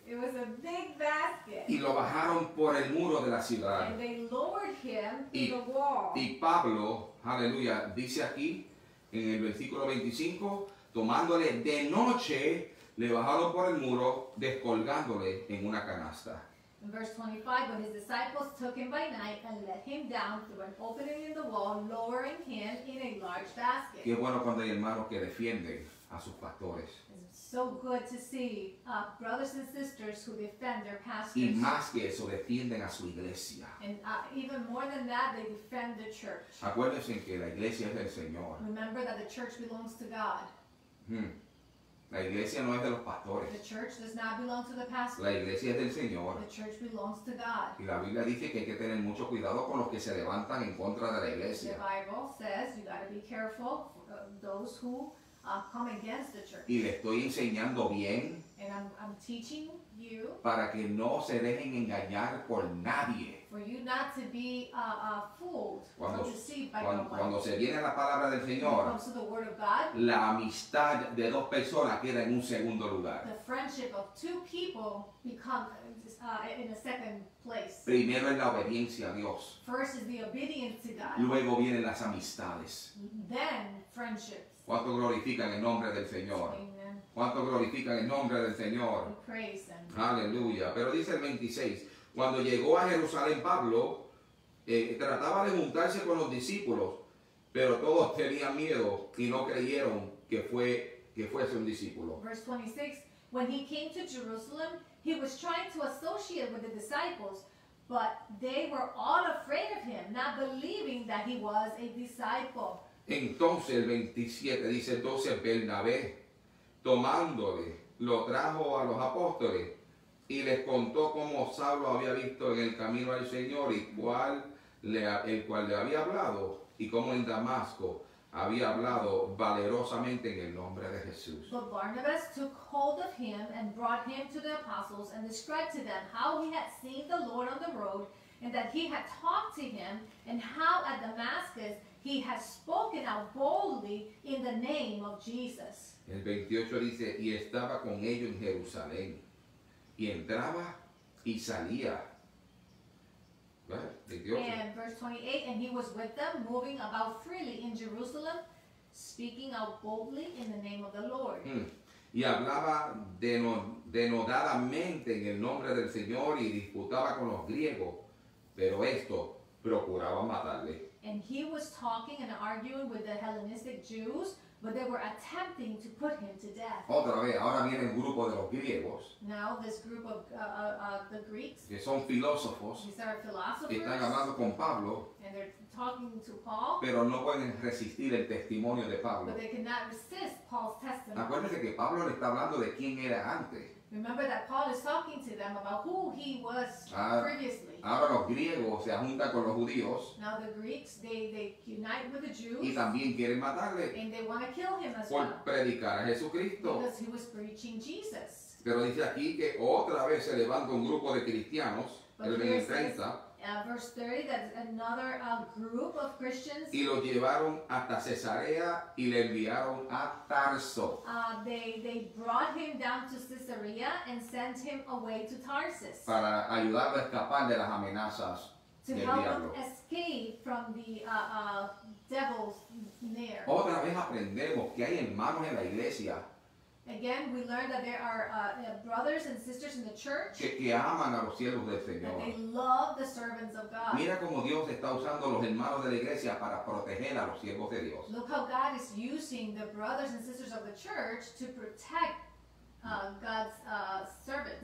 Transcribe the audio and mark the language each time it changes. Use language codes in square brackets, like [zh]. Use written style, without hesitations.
[en] It was a big basket. [es] Y lo bajaron por el muro de la ciudad. [en] And they lowered him to the wall. [es] Y Pablo, aleluya, dice aquí en el versículo 25, tomándole de noche, le bajaron por el muro, descolgándole en una canasta. [en] In verse 25, when his disciples took him by night and let him down through an opening in the wall, lowering him in a large basket. [es] Qué bueno cuando hay hermanos que defienden a sus pastores. [en] So good to see brothers and sisters who defend their pastors. [es] Y más que eso, defienden a su iglesia. [en] And even more than that, they defend the church. [es] Acuérdense que la iglesia es del Señor. [en] Remember that the church belongs to God. [es] La iglesia no es de los pastores. [en] The church does not belong to the pastor. [es] La iglesia es del Señor. [en] The church belongs to God. [es] Y la Biblia dice que hay que tener mucho cuidado con los que se levantan en contra de la iglesia. [en] The Bible says you got to be careful for those who come against the church. [es] Y le estoy enseñando bien. [en] And I'm teaching you. [es] Para que no se dejen engañar por nadie. [en] For you not to be fooled [es] cuando, [en] or deceived by someone. [es] Cuando se viene la palabra del Señor, [en] when it comes to the word of God, [es] la amistad de dos personas queda en un segundo lugar. [en] The friendship of two people become in a second place. [es] Primero es la obediencia a Dios. [en] First is the obedience to God. [es] Luego vienen las amistades. [en] Then friendships. [es] ¿Cuánto glorifican el nombre del Señor? [en] Amen. [es] ¿Cuánto glorifican el nombre del Señor? [en] We praise them. [es] Aleluya. Pero dice el 26, cuando llegó a Jerusalén Pablo, trataba de juntarse con los discípulos, pero todos tenían miedo y no creyeron que fuese un discípulo. [en] Verse 26, when he came to Jerusalem, he was trying to associate with the disciples, but they were all afraid of him, not believing that he was a disciple. [es] Entonces, el 27 dice, entonces Bernabé, tomándole, lo trajo a los apóstoles y les contó cómo Saulo había visto en el camino al Señor y el cual le había hablado y cómo en Damasco había hablado valerosamente en el nombre de Jesús. [en] But Barnabas took hold of him and brought him to the apostles and described to them how he had seen the Lord on the road and that he had talked to him and how at Damascus he has spoken out boldly in the name of Jesus. [es] El 28 dice, y estaba con ellos en Jerusalén, y entraba y salía. [en] And verse 28, and he was with them, moving about freely in Jerusalem, speaking out boldly in the name of the Lord. [es] Y hablaba denodadamente en el nombre del Señor, y disputaba con los griegos, pero esto procuraba matarle. [en] And he was was talking and arguing with the Hellenistic Jews, but they were attempting to put him to death. [es] Otra vez, ahora viene el grupo de los griegos. [en] Now this group of the Greeks. [es] Que son filósofos. [en] These are philosophers. [es] Que están hablando con Pablo. [en] And they're talking to Paul. [es] Pero no pueden resistir el testimonio de Pablo. [en] But they cannot resist Paul's testimony. [es] Acuérdense que Pablo le está hablando de quién era antes. [en] Remember that Paul is talking to them about who he was previously. [es] Ahora los griegos se juntan con los judíos. [en] Now the Greeks, they unite with the Jews. [es] Y también quieren matarle. [en] And they want to kill him as [es] por [en] well. [es] Por predicar a Jesucristo. [en] Because he was preaching Jesus. [es] Pero dice aquí que otra vez se levanta un grupo de cristianos. [en] But [es] el 30. [en] Verse 30, that's another group of Christians. [es] Y lo llevaron hasta Cesarea y le enviaron a Tarso. [en] They brought him down to Caesarea and sent him away to Tarsus. [es] Para ayudarlo a escapar de las amenazas del diablo. [en] To help him escape from the devil's snare. [es] Otra vez aprendemos que hay hermanos en la iglesia. [en] Again, we learn that there are brothers and sisters in the church [es] que aman a los siervos del Señor. [en] That they love the servants of God. [es] Mira cómo Dios está usando los hermanos de la iglesia para proteger a los siervos de Dios. [en] Look how God is using the brothers and sisters of the church to protect God's servants.